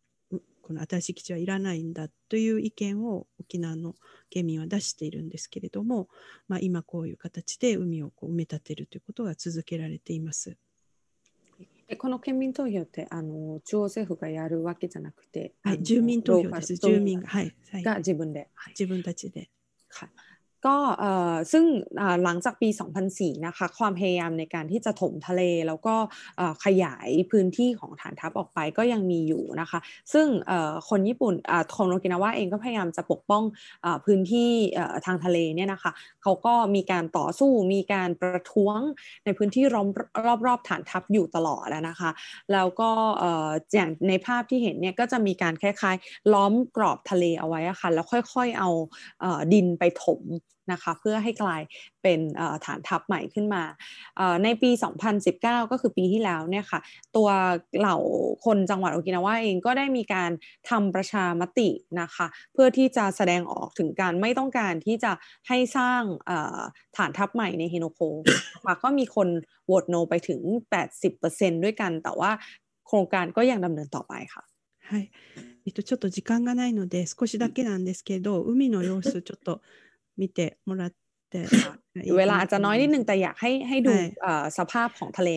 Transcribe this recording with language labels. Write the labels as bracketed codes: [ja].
[ja] う、この新しい基地はいらないんだという意見を沖縄の県民は出しているんですけれども、まあ、今こういう形で海をこう埋め立てるということが続けられています。この県民投票ってあの中央政府がやるわけじゃなくて、はい、住民投票です。住民が、はいはい、自分で、はい、自分たちで、 [th] はい、ก็ซึ่งหลังจากปี2004นะคะความพยายามในการที่จะถมทะเลแล้วก็ขยายพื้นที่ของฐานทัพออกไปก็ยังมีอยู่นะคะซึ่งคนญี่ปุ่นคนโอกินาวาเองก็พยายามจะปกป้องพื้นที่ทางทะเลเนี่ยนะคะเขาก็มีการต่อสู้มีการประท้วงในพื้นที่รอบๆฐานทัพอยู่ตลอดแล้วนะคะแล้วก็ อย่างในภาพที่เห็นเนี่ยก็จะมีการคล้ายๆล้อมกรอบทะเลเอาไว้ค่ะแล้วค่อยๆเอาดินไปถมนะคะเพื่อให้กลายเป็นฐานทัพใหม่ขึ้นมา ในปี2019ก็คือปีที่แล้วเนี่ยค่ะตัวเหล่าคนจังหวัดโอกินาวาเองก็ได้มีการทำประชามตินะคะเพื่อที่จะแสดงออกถึงการไม่ต้องการที่จะให้สร้างฐานทัพใหม่ในเฮโนโคก็มีคนโหวตโนไปถึง 80% ด้วยกันแต่ว่าโครงการก็ยังดำเนินต่อไปค่ะ [ja] ใช่ちょっと時間がないので少しだけなんですけど海の様子ちょっと見てもらって、 [th] เวลาจะน้อยนิดนึงแต่อยากให้ดูสภาพของทะเล